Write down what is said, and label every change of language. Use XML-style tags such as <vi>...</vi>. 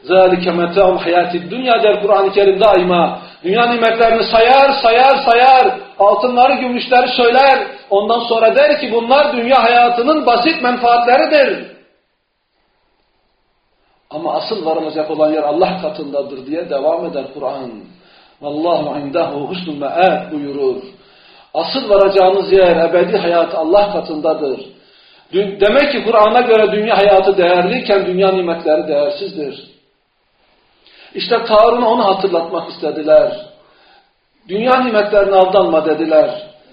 <ar>ذَٰلِكَ مَتَعُ الْحَيَاتِ الدُّنْيَا</ar> <tr>der Kur'an-ı Kerim daima. Dünya nimetlerini sayar, altınları, gümüşleri söyler. Ondan sonra der ki bunlar dünya hayatının basit menfaatleridir. Ama asıl varılacak olan yer Allah katındadır diye devam eder Kur'an.</tr> <ar>وَاللّٰهُ عِنْدَهُ حُسْنُ مَأَبُ</ar> <tr>buyurur. Asıl varacağınız yer, ebedi hayat Allah katındadır. Demek ki Kur'an'a göre dünya hayatı değerliyken dünya nimetleri değersizdir. İşte Karun'a onu hatırlatmak istediler. Dünya nimetlerine aldanma dediler.</tr>